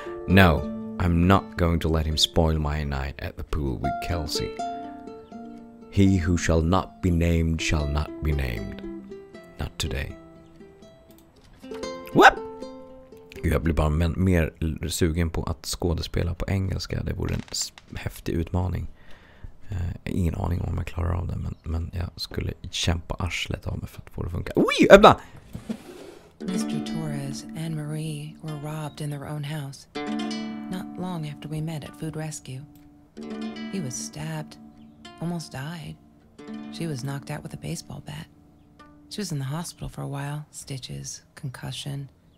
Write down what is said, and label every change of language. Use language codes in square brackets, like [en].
[en] No, I'm not going to let him spoil my night at the pool with Kelsey. He who shall not be named shall not be named. Not today. What? [sv] Jag blir bara mer sugen på att skådespela på engelska. Det vore en häftig utmaning. Ingen aning om jag klarar av det, men jag skulle kämpa arslet av mig för att få det att funka. Oj, öppna! [en] Mr. Torres and Marie were robbed in their own house, not long after we met at Food Rescue. He was stabbed, almost died. She was knocked out with a baseball bat. She was in the hospital for a while, stitches, concussion.